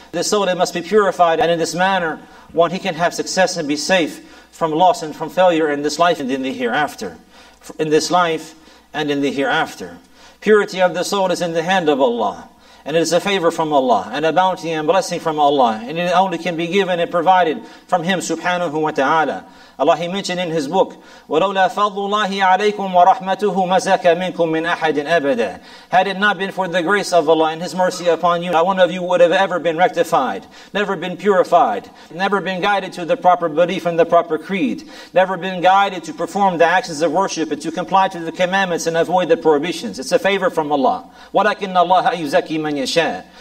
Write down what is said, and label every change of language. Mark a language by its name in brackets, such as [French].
[English] The soul that must be purified, and in this manner, one he can have success and be safe from loss and from failure in this life and in the hereafter. In this life and in the hereafter. Purity of the soul is in the hand of Allah. And it is a favor from Allah, and a bounty and blessing from Allah. And it only can be given and provided from Him, subhanahu wa ta'ala. Allah, He mentioned in His book, [Arabic] وَلَوْلَا فَضُّ اللَّهِ عَلَيْكُمْ وَرَحْمَتُهُ مَزَكَ مِنْكُمْ مِنْ أَحَدٍ أَبَدًا. [English] Had it not been for the grace of Allah and His mercy upon you, not one of you would have ever been rectified, never been purified, never been guided to the proper belief and the proper creed, never been guided to perform the actions of worship and to comply to the commandments and avoid the prohibitions. It's a favor from Allah. [Arabic] وَلَكِنَّ اللَّهَ يُزَكِّي مَنْ يَشَاءُ.